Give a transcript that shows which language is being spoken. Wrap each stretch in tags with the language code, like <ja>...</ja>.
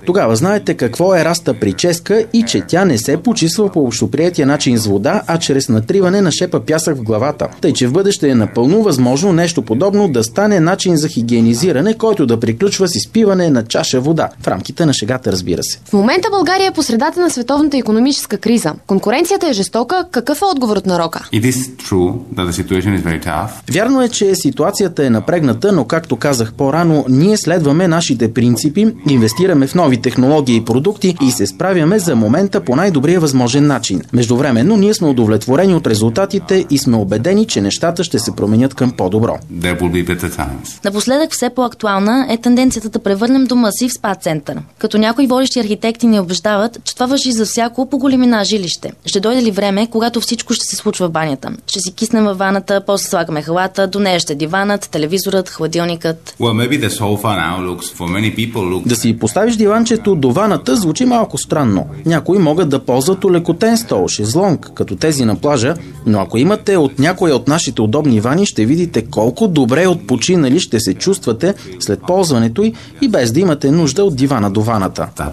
<bg>Тогава знаете какво е раста прическа и че тя не се почиства по общоприятия начин с вода, а чрез натриване на шепа пясък в главата. Тъй, че в бъдеще е напълно възможно нещо подобно да стане начин за хигиенизиране, който да приключва с изпиване на чаша вода. В рамките на шегата, разбира се. В момента България е по средата на световната икономическа криза. Конкуренцията е жестока. Какъв е отговорът на Рока?</bg> <en>It is true that the situation is very tough.</en> <bg>Вярно е, че ситуацията е напрегната, но както казах по-рано, ние следваме нашите принципи, инвестираме в нови технологии и продукти и се справяме за момента по най-добрия възможен начин. Междувременно ние сме удовлетворени от резултатите и сме убедени, че нещата ще се променят към по-добро.</bg> <en>There will be better times.</en> <bg>Напоследък все по-актуална е тенденцията да превърнем дома си в спа-център. Като някои водещи архитекти ни убеждават, че това важи за всяко по-големина жилище. Ще дойде ли време, когато всичко ще се случва в банята? Ще си киснем във ваната, после слагаме халата, до нея ще диванът, телевизорът, хладилникът.</bg> <en>Well, maybe the sofa now looks for many.</en> <bg>Да си поставиш диванчето до ваната звучи малко странно. Някои могат да ползват улекотен стол, шезлонг, като тези на плажа, но ако имате от някоя от нашите удобни вани, ще видите колко добре отпочинали ще се чувствате след ползването й и без да имате нужда от дивана до ваната.</bg>